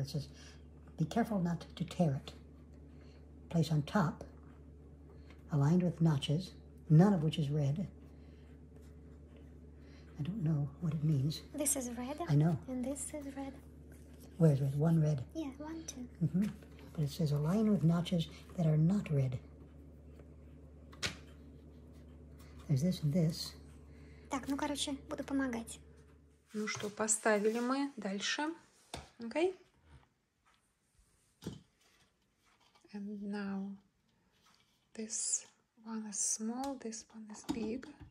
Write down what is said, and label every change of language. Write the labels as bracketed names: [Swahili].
[English] It says, be careful not to tear it. Place on top, aligned with notches, none of which is red. I don't know what it means. This is red. I know. And this is red. Where's red? One red. Yeah, one, two. But it says align with notches that are not red. There's this and this. [Russian] Так, ну короче, буду помогать. Ну что, поставили мы дальше. [English] Okay. And now this one is small, this one is big.